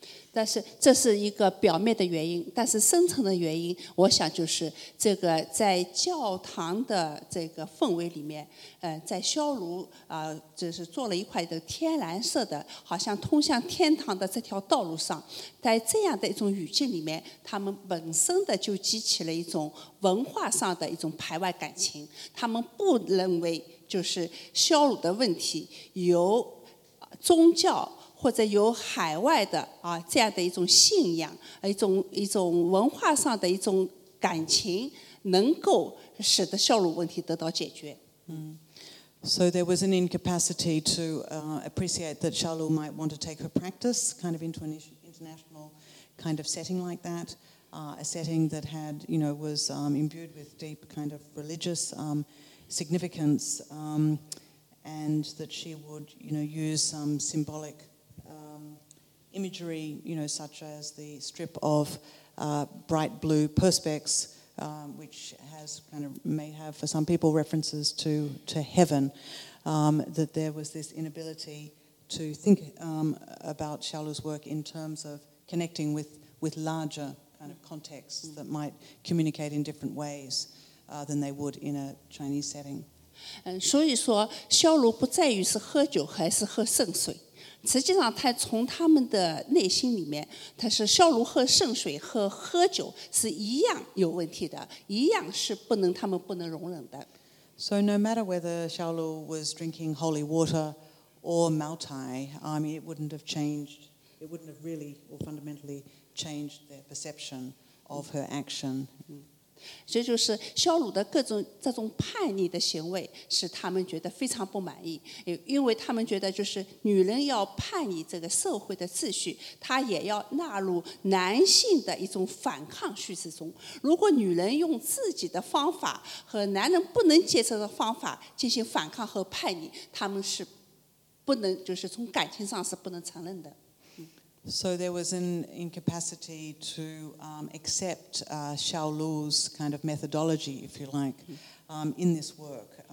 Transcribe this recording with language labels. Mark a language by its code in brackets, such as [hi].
[zh] 但是这是一个表面的原因，但是深层的原因，我想就是这个在教堂的这个氛围里面，在肖卢就是做了一块的天蓝色的，好像通向天堂的这条道路上，在这样的一种语境里面，他们本身的就激起了一种文化上的一种排外感情，他们不认为就是肖卢的问题由宗教。或者有海外的这样的一种信仰，一种文化上的一种感情，能够使得肖鲁问题得到解决。 [en] So there was an incapacity to appreciate that Shalu might want to take her practice kind of into an international kind of setting like that, a setting that had, you know, was imbued with deep kind of religious significance, and that she would, you know, use some symbolic. Imagery, you know, such as the strip of bright blue perspex, which has kind of may have for some people references to heaven, that there was this inability to think about Shalu's work in terms of connecting with larger kind of contexts that might communicate in different ways than they would in a Chinese setting. [zh] 所以说，肖卢不在于是喝酒还是喝圣水。实际上他从他们的内心里面，他是肖卢喝圣水和喝酒是一样有问题的，一样是不能他们不能容忍的。 [en] So no matter whether Shaolu was drinking holy water or Maotai, it wouldn't have changed, it wouldn't have really or fundamentally changed their perception of her action. [zh] 这就是肖鲁的各种这种叛逆的行为使他们觉得非常不满意，因为他们觉得就是女人要叛逆这个社会的秩序，她也要纳入男性的一种反抗叙事中，如果女人用自己的方法和男人不能接受的方法进行反抗和叛逆，他们是不能就是从感情上是不能承认的。 [en] So there was an incapacity to accept Shaolu's kind of methodology, if you like, in this work.